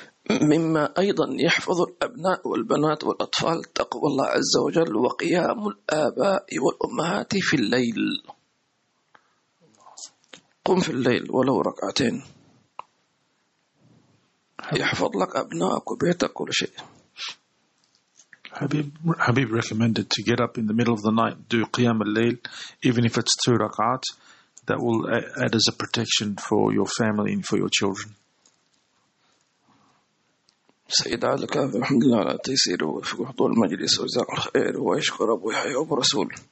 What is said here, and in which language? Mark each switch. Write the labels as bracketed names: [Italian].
[Arabic] مما أيضا يحفظ الأبناء والبنات والأطفال تقوى الله عز وجل وقيام الآباء والأمهات في الليل. قم في الليل ولو ركعتين يحفظ لك أبنائك وبيتك كل شيء. [English] Habib recommended to get up in the middle of the night, do قيام الليل even if it's two ركعات. That will add as a protection for your family and for your children. [Arabic] سيد عليك الحمد لله على تيسير وفي حضور المجلس وجزاك الله خير ويشكر أبو يحيى أبو رسول.